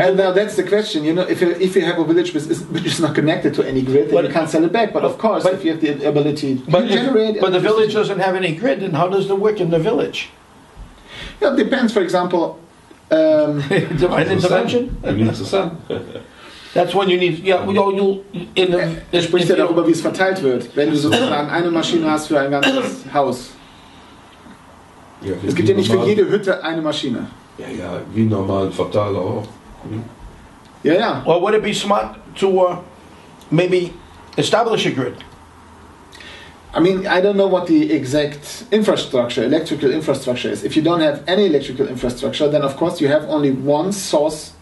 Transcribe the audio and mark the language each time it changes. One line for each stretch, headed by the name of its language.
English: And now that's the question, you know, if you have a village which is not connected to any grid, then you can't sell it back, but of course, if you have the ability to generate... But the village doesn't have any grid, then how does it work in the village? Yeah, it depends, for example... divine intervention? It's the sun. That's when you need, yeah, we all you in the...
German: Er spricht ja darüber, wie es verteilt wird, wenn du sozusagen eine Maschine hast für ein ganzes Haus. Ja, es gibt ja nicht für jede Hütte eine Maschine. Ja, ja, wie normal, Verteiler auch. Ja, ja.
English: Or would it be smart to maybe establish a grid? I mean, I don't know what the exact electrical infrastructure is. If you don't have any electrical infrastructure, then of course you have only one source.